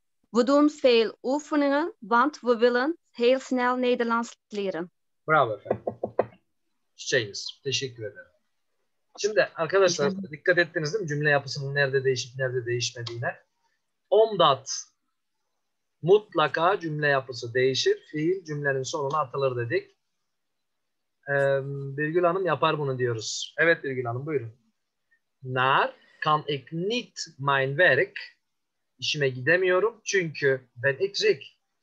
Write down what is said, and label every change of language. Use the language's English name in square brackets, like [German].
[Dutch] We doen veel oefeningen, want we willen heel snel Nederlands leren. [Turkish] Bravo efendim. Çiçeğiniz, teşekkür ederim. Şimdi arkadaşlar, hı-hı, dikkat ettiniz değil mi cümle yapısının nerede değişip nerede değişmediğine? Omdat mutlaka cümle yapısı değişir. Fiil cümlenin sonuna atılır dedik. Birgül Hanım yapar bunu diyoruz. Evet Birgül Hanım buyurun. [Dutch] Naar kan ik niet mijn werk. [Turkish] İşime gidemiyorum çünkü ben [Dutch] ik ziek.